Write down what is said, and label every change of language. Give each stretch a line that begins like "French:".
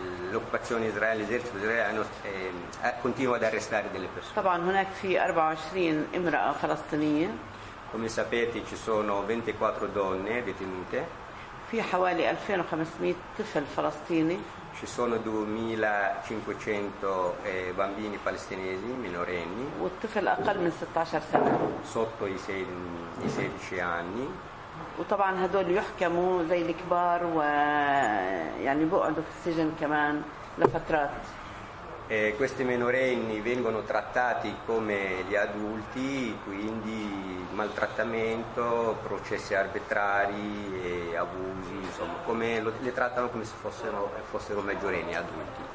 Italian: L'occupazione israeliana, l'esercito israeliano continua ad arrestare delle persone.
Arabic: طبعا هناك في 24 امرأة فلسطينية.
Italian: Come sapete ci sono 24 donne detenute.
Arabic: في حوالي 2500 طفل فلسطيني.
Italian: Ci sono 2500 bambini palestinesi minorenni.
Arabic: والطفل أقل من 16 سنة.
Italian: Sotto i 16 anni.
Arabic: وطبعا هدول يحكموا زي الكبار ويعني بقعدوا في السجن كمان لفترات.
Italian: Questi minorenni vengono trattati come gli adulti, quindi maltrattamento, processi arbitrari, abusi, insomma, come li trattano come se fossero maggiorenni adulti.